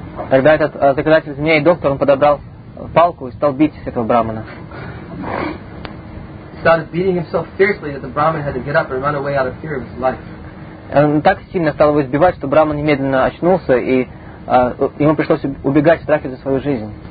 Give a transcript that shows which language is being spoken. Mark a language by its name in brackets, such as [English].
[Russian] Тогда этот заклинатель змей, доктор, он подобрал палку и стал бить этого Брахмана. [English] He started beating him so fiercely that the Brahmin had to get up and run away out of fear of his life. [Russian] Он так сильно стал его избивать, что Брахман немедленно очнулся, и ему пришлось убегать в страхе за свою жизнь.